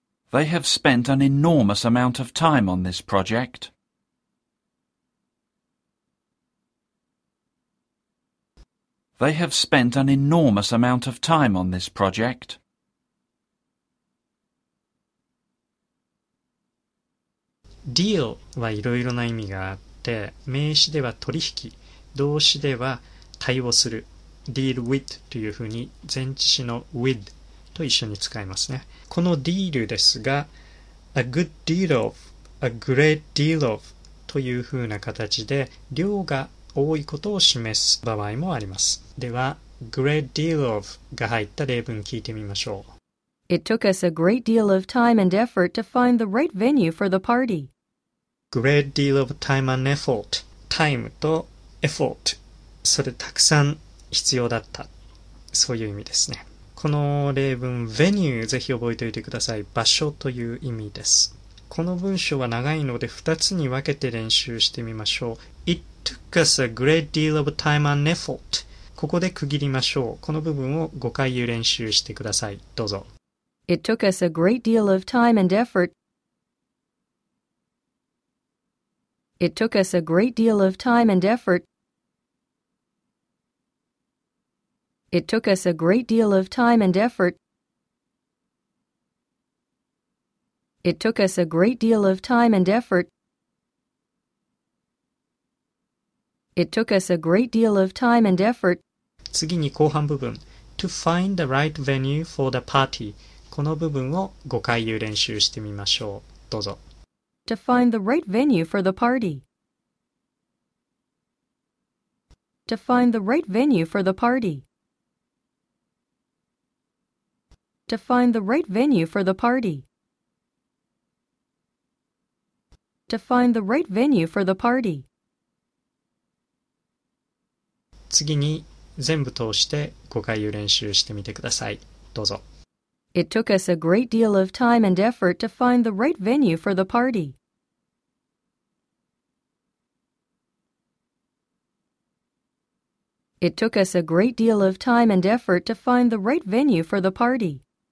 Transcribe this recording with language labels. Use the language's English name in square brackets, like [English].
[English] They have spent an enormous amount of time on this project. They have spent an enormous amount of time on this project. They have spent an enormous amount of time on this project. [Japanese] Deal はいろいろな意味があって、名詞では取引、動詞では対応する、deal with というふうに前置詞の with と一緒に使いますね。この deal ですが、 [English] a good deal of、 a great deal of [Japanese] というふうな形で量が多いことを示す場合もあります。では、great deal of が入った例文聞いてみましょう。 [English] It took us a great deal of time and effort to find the right venue for the party. Great deal of time and effort. Time と effort. [Japanese] それたくさん必要だった。そういう意味ですね。この例文 venue ぜひ覚えておいてください。場所という意味です。この文章は長いので2つに分けて練習してみましょう。 [English] It took us a great deal of time and effort. [Japanese] ここで区切りましょう。この部分を5回言う練習してください。どうぞ。 [English] It took us a great deal of time and effort. It took us a great deal of time and effort. It took us a great deal of time and effort. It took us a great deal of time and effort. It took us a great deal of time and effort. [Japanese] 次に後半部分 [English] To find the right venue for the party. [Japanese] この部分を5回言う練習してみましょう。どうぞ。 [English] To find the right venue for the party. To find the right venue for the party. To find the right venue for the party. To find the right venue for the party. [Japanese] 次に全部通して5回を練習してみてください。どうぞ。 [English] It took us a great deal of time and effort to find the right venue for the party. It took us a great deal of time and effort to find the right venue for the party.